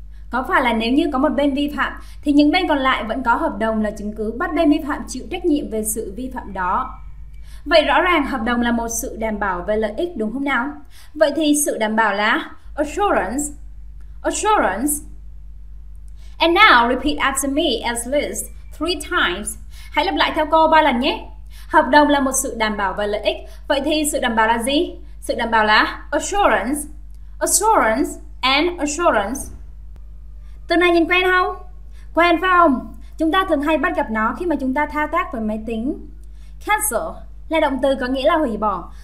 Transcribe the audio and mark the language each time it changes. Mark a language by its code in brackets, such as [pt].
[vi] Có phải là nếu như có một bên vi phạm thì những bên còn lại vẫn có hợp đồng là chứng cứ bắt bên vi phạm chịu trách nhiệm về sự vi phạm đó? Vậy rõ ràng hợp đồng là một sự đảm bảo về lợi ích, đúng không nào? Vậy thì sự đảm bảo là assurance. [en] Assurance. And now repeat after me at least 3 times. [vi] Hãy lặp lại theo cô 3 lần nhé. Hợp đồng là một sự đảm bảo về lợi ích. Vậy thì sự đảm bảo là gì? Sự đảm bảo là assurance. [en] Assurance and assurance. [vi] Từ này nhìn quen không? Quen phải không? Chúng ta thường hay bắt gặp nó khi mà chúng ta thao tác với máy tính. Cancel là động từ có nghĩa là hủy bỏ.